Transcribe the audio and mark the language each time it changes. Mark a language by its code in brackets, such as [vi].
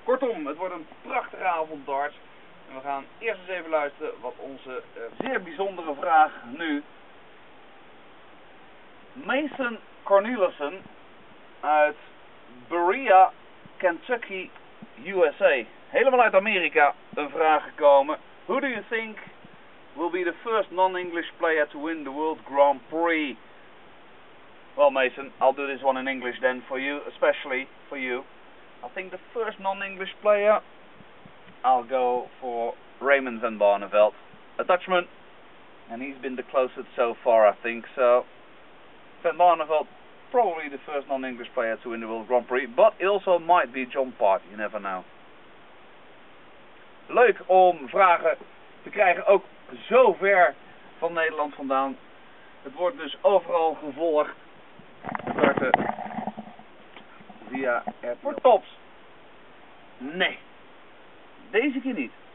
[nl] Kortom, het wordt een prachtige avond darts. En we gaan eerst eens even luisteren wat onze zeer bijzondere vraag nu. Mason Cornelissen uit Berea, Kentucky, USA. Helemaal uit Amerika een vraag gekomen. [en] Who do you think will be the first non-English player to win the World Grand Prix? Well, Mason, I'll do this one in English then for you, especially for you. I think the first non-English player, I'll go for Raymond van Barneveld, a Dutchman, and he's been the closest so far, I think. So, van Barneveld, probably the first non-English player to win the World Grand Prix, but it also might be John Part, you never know. [nl] Leuk om vragen te krijgen, ook zo ver van Nederland vandaan. Het wordt dus overal gevolgd. Starten via Airport Tops. Nee. Deze keer niet.